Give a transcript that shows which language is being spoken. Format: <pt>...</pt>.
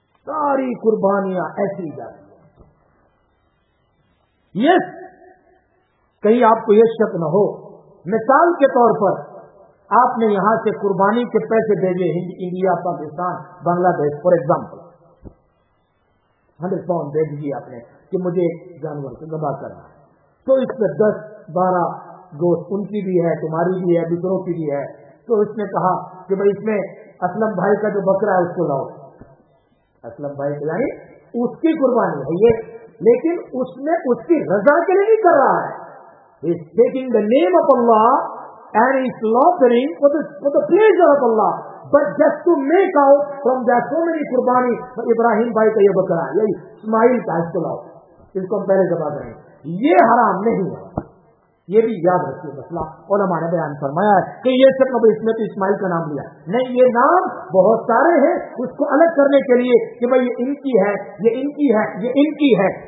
<ur>ساری قربانیاں ایسی جاتی ہیں.</ur> <en>yes,</en> <ur>کہیں آپ کو یہ شک نہ ہو، مثال کے طور پر آپ نے یہاں سے قربانی کے پیسے بھیجے، انڈیا، پاکستان، بنگلہ دیش</ur> <en>for example, 100 pounds</en> <ur>دے دیجیے آپ نے کہ مجھے جانور سے ذبح کرنا، تو اس میں 10-12 گوشت ان کی بھی ہے، تمہاری بھی ہے، دوسروں کی بھی ہے. تو اس نے کہا کہ بھائی اس میں اسلم بھائی کا جو بکرا ہے اس کو لاؤ. اسلم بھائی کے یعنی اس کی قربانی ہے یہ، لیکن اس نے اس کی رضا کے لیے نہیں کر رہا ہے.</ur> <en>He is taking the name of Allah and is slaughtering for the pleasure of Allah. But just to make out from that so many</en> <ur>قربانی، ابراہیم بھائی کا یہ بکرا ہے، یہ اسماعیل کا، اس کو لاؤ، اس کو ہم پہلے ذبح کریں، یہ حرام نہیں ہے. یہ بھی یاد رکھیے مسئلہ. علماء نے بیان فرمایا ہے کہ یہ سب نبی اسمت اسماعیل کا نام لیا نہیں, یہ نام بہت سارے ہیں اس کو الگ کرنے کے لیے کہ بھائی یہ ان کی ہے, یہ ان کی ہے, یہ ان کی ہے.</ur>